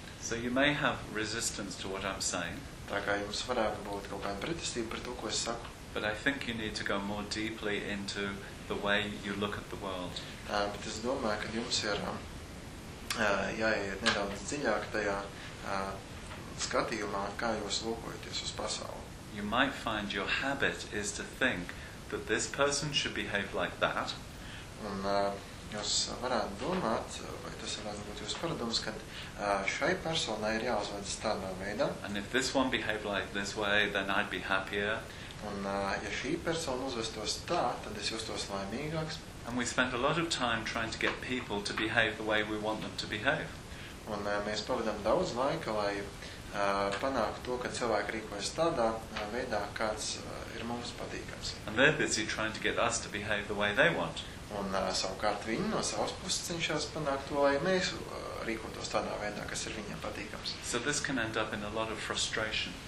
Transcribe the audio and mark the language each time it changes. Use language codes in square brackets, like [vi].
[en] So you may have resistance to what I'm saying. [lv] Tā kā jums varētu būt kaut kāda pretestība par to, ko es saku. [en] But I think you need to go more deeply into the way you look at the world. [lv] Bet es domāju, ka jums ir jāiet nedaudz dziļāk tajā skatījumā, kā jūs lūkojaties uz pasauli. [en] You might find your habit is to think that this person should behave like that. [lv] Un jūs varētu domāt, vai tas varētu būt jūsu paradums, ka šai personai ir jāuzvedas tādā veidā. [en] And if this one behaved like this way, then I'd be happier. [lv] Un ja šī persona uzvestos tā, tad es jūstos laimīgāks. [en] And we spend a lot of time trying to get people to behave the way we want them to behave. [lv] Un mēs pavadām daudz laika, lai panāktu to, ka cilvēki rīkojas tādā veidā, kāds ir mums patīkams. [en] And they're busy trying to get us to behave the way they want. [lv] Un savukārt viņi no savas puses cenšas panākt to, lai mēs rīkotos tādā veidā, kas ir viņiem patīkams. [en] So this can end up in a lot of frustration.